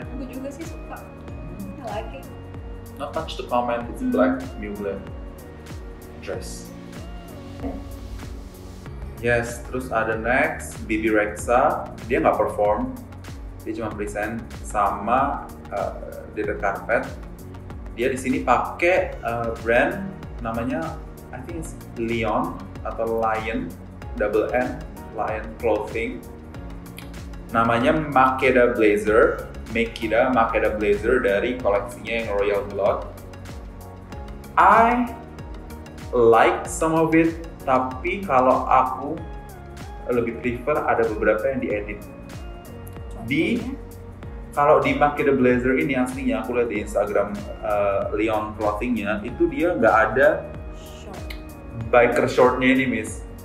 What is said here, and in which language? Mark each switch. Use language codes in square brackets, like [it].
[id] Aku juga sih suka. [en] I like it. Not much to comment, it's black Mugler dress. [id] Yes, terus ada next Bibi Rexha. Dia gak perform, dia cuma present sama di red carpet. Dia di sini pakai brand namanya [en] I think it's Lion [id] atau Lion double N Lion clothing. Namanya Makeda Blazer. Makeda Blazer dari koleksinya yang Royal Blood. [en] I like some of it, [id] tapi kalau aku lebih prefer ada beberapa yang diedit. Di kalau di Makeda Blazer ini aslinya aku lihat di Instagram Leon clothingnya itu dia nggak ada biker shortnya ini Miss.